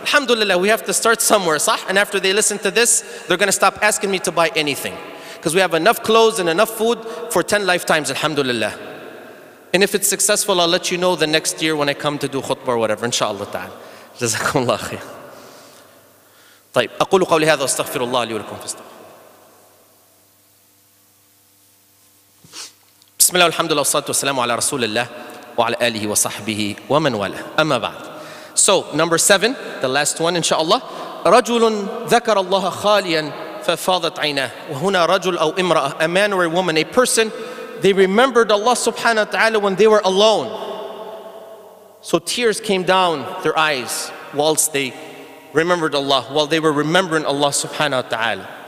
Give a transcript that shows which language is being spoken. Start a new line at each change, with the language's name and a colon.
English: Alhamdulillah, we have to start somewhere, sah? And after they listen to this, they're gonna stop asking me to buy anything. Because we have enough clothes and enough food for 10 lifetimes, alhamdulillah. And if it's successful, I'll let you know the next year when I come to do khutbah or whatever, inshallah ta'ala. Jazakumullah khair.
Arabic: طيب, أقول قولي هذا واستغفر الله لي ولكم فاستغفر. بسم الله والحمد لله والصلاة والسلام على رسول الله وعلى آله وصحبه ومن والاه أما بعد.
English: So number 7, the last one inshallah.
Arabic: رجل ذكر الله خاليا ففاضت عيناه. وهنا رجل أو امرأة,
English: a man or a woman, a person, they remembered Allah subhanahu wa ta'ala when they were alone. So tears came down their eyes whilst they remembered Allah, while they were remembering Allah subhanahu wa ta'ala.